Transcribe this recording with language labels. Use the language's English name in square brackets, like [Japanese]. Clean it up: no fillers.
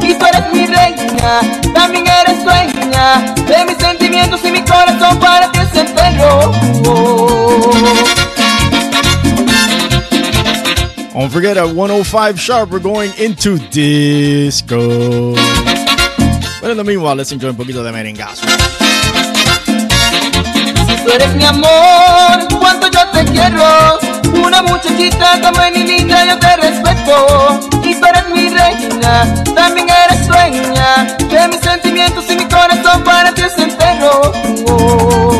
[Spanish] Y tú eres mi reina, también eres dueña de mis sentimientos y mi corazón, para ti es entero. [English] Don't forget, at 105 sharp, we're going into disco. But in the meanwhile, let's enjoy [Spanish] un poquito de merengue. Si tú eres mi amor, cuánto yo te quiero. Una muchachita tan buena y linda, yo te respeto. Y tú eres mi reina, también eres dueña de mis sentimientos y mi corazón, para ti es entero.